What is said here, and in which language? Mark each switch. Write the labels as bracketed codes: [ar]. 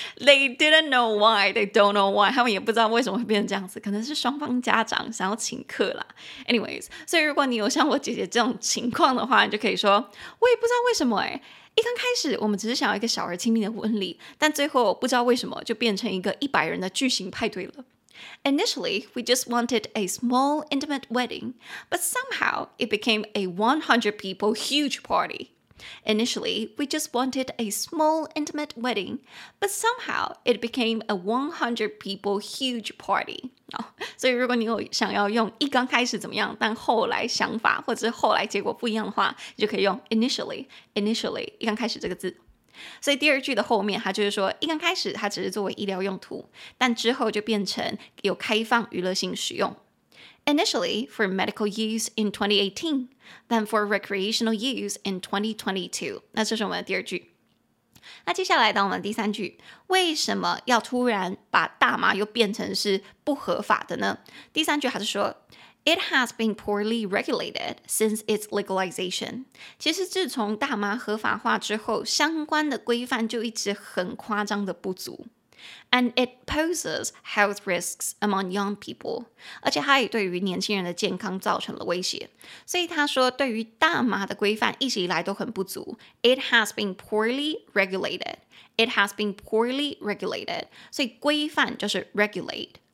[en] They didn't know why, [zh] they don't know why, 他们也不知道为什么会变成这样子，可能是双方家长想要请客啦。 Anyways, 所以如果你有像我姐姐这种情况的话，你就可以说我也不知道为什么，一刚开始我们只是想要一个小而亲密的婚礼，但最后不知道为什么就变成一个100人的巨型派对了。 [en] Initially, we just wanted a small intimate wedding, but somehow it became a 100 people huge party. Initially, we just wanted a small intimate wedding, but somehow it became a 100 people huge party. [zh] 所以如果你有想要用一刚开始怎么样，但后来想法或者是后来结果不一样的话，你就可以用 initially 一刚开始这个字。所以第二句的后面，它就是说一刚开始它只是作为医疗用途，但之后就变成有开放娱乐性使用。 [en] Initially for medical use in 2018, then for recreational use in 2022. [zh] 那这是我们的第二句。那接下来到我们第三句，为什么要突然把大麻又变成是不合法的呢？第三句还是说 [en] It has been poorly regulated since its legalization. [zh] 其实自从大麻合法化之后，相关的规范就一直很夸张的不足。 [en] And it poses health risks among young people. [zh] 而且它也对于年轻人的健康造成了威胁。所以他说对于大麻的规范一直以来都很不足。 [en] It has been poorly regulated. It has been poorly regulated. [zh] 所以规范就是 regulate.